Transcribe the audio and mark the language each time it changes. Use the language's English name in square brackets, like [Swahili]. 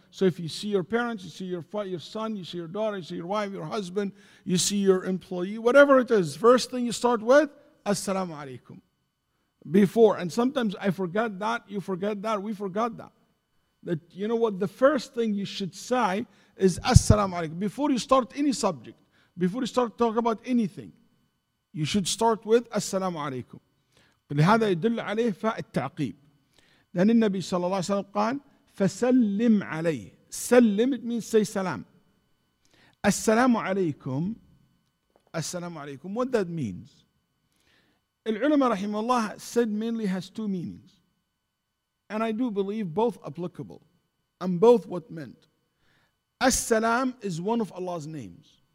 [English] So if you see your parents, you see your son, you see your daughter, you see your wife, your husband, you see your employee, whatever it is, first thing you start with, assalamu alaikum. Before. And sometimes I forget that, you forget that, we forgot that. That, you know what, the first thing you should say is assalamu alaikum. Before you start any subject, before you start talking about anything, you should start with assalamu alaikum. [Arabic] لهذا يدل عليه فاء التعقيب. [English] Then the Nabi [Arabic] صلى الله عليه وسلم قال, فسلم عليه. [English] سلم, it means say salam. [Arabic] السلام عليكم. السلام عليكم. [English] What that means? [Arabic] العلماء رحمه الله [English] said mainly has two meanings. And I do believe both applicable. And both what meant. السلام is one of Allah's names.